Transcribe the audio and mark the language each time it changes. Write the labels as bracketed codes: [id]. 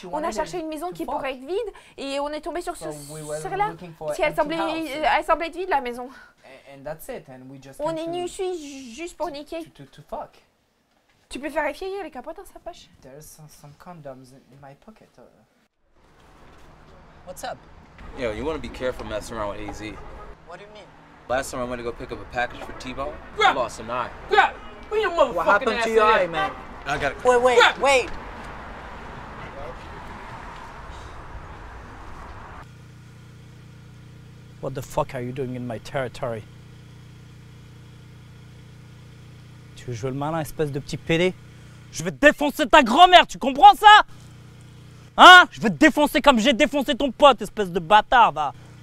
[fr] On a cherché une maison qui pourrait être vide et on est tombé sur ce celle-là. Si elle semblait être vide la maison. [en] And that's it. And we just [fr] on est venu ici juste pour niquer. [en] To fuck. [fr] Tu peux vérifier, il y a les capotes dans sa poche. [en] There's some condoms in my pocket. What's up? Yo, you want to be careful messing around with AZ. What do you mean? Last time I went to go pick up a package for T-Bone, grab. I lost an eye. Grab! Where your motherfucking what happened ass to your eye, man? I got it. Wait, grab. Wait! What the fuck are you doing in my territory? [fr] Tu veux jouer le malin, espèce de petit pédé? Je vais te défoncer ta grand-mère, tu comprends ça? Hein? Je vais te défoncer comme j'ai défoncé ton pote, espèce de bâtard, va!